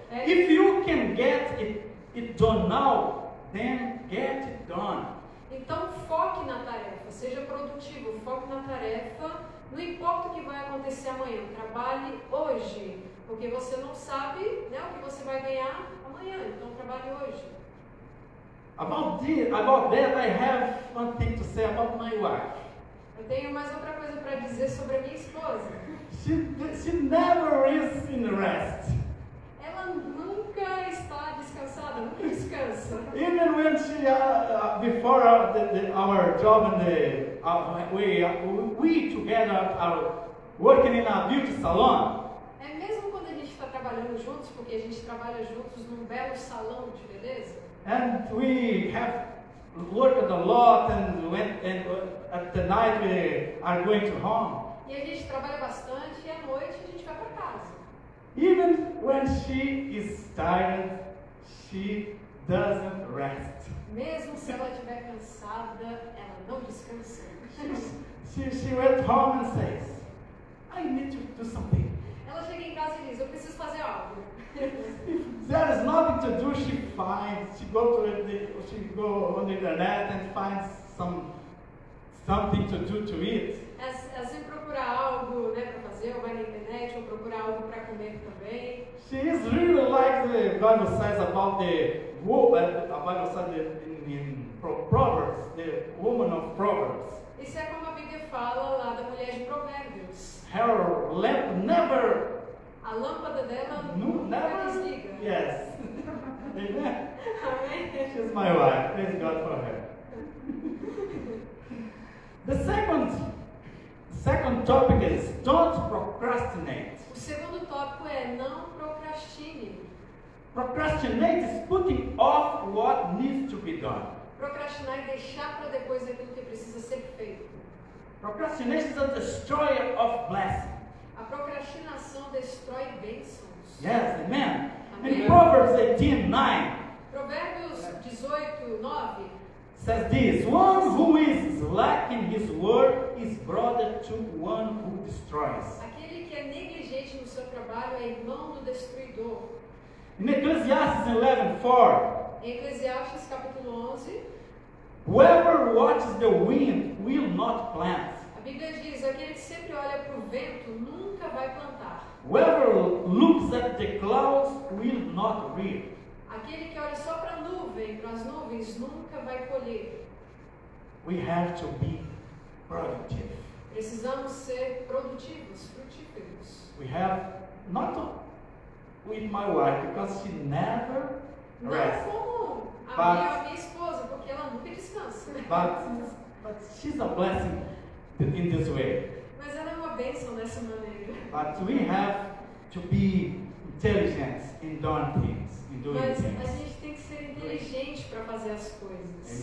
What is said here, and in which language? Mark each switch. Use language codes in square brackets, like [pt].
[en] If you can get it done now, then get it done. [pt] Então foque na tarefa, seja produtivo, foque na tarefa. Não importa o que vai acontecer amanhã, trabalhe hoje. Porque você não sabe, né, o que você vai ganhar amanhã, então trabalhe hoje. [en] About that, I have one thing to say about my wife. [pt] Eu tenho mais outra coisa para dizer sobre a minha esposa. [en] She never is in rest. [pt] Ela nunca está descansada, nunca descansa. [en] Even when she, before our job and we together are working in a beauty salon. [pt] É mesmo quando a gente está trabalhando juntos, porque a gente trabalha juntos num belo salão de beleza. [en] And we have worked a lot and at the night we are going to home. [pt] E a gente trabalha bastante e à noite a gente vai para casa. [en] Even when she is tired, she doesn't rest. [pt] Mesmo se ela estiver cansada, ela não descansa. [en] She went home and says, "I need to do something." [pt] Ela chega em casa e diz, "Eu preciso fazer algo." [en] If there is nothing to do, she finds. She go on the internet and finds something to do to eat. [pt] Assim procurar algo, né, para fazer, ou vai na internet ou procurar algo para comer também. [en] She is really like the Bible says about the woman. The Bible says in Proverbs, the woman of Proverbs. [pt] Isso é como a Bíblia fala lá da mulher de Provérbios. [en] Her lamp never. [pt] A A lâmpada dela nunca desliga. [en] Yes. Amen. She's my wife. Praise God for her. The second topic is don't procrastinate. [pt] O segundo tópico é não procrastine. [en] Procrastinate is putting off what needs to be done. [pt] Procrastinar é deixar para depois aquilo que precisa ser feito. [en] Procrastination is a destroyer of blessing. [pt] A procrastinação destrói bênçãos. [en] Yes, amen. In Proverbs 18:9. [pt] Provérbios 18:9. [en] Says this: one who is slack in his work is brother to one who destroys. [pt] Aquele que é negligente no seu trabalho é irmão do destruidor. [en] In Ecclesiastes 11:4. [pt] Ecclesiastes capítulo 11. [en] Whoever watches the wind will not plant. [pt] A Bíblia diz: aquele que sempre olha para o vento nunca vai plantar. [en] Whoever looks at the clouds will not reap. [pt] Aquele que olha só para as nuvens nunca vai colher. [en] We have to be productive. [pt] Precisamos ser produtivos, frutíferos. [en] We have not with my wife because she never rests. [pt] Não como a minha esposa, porque ela nunca descansa. [en] But she's a blessing in this way. [pt] Mas ela é uma bênção dessa maneira. [en] But we have to be intelligent in doing things. In doing [pt] Mas [en] things. [pt] A gente tem que ser inteligente para fazer as coisas.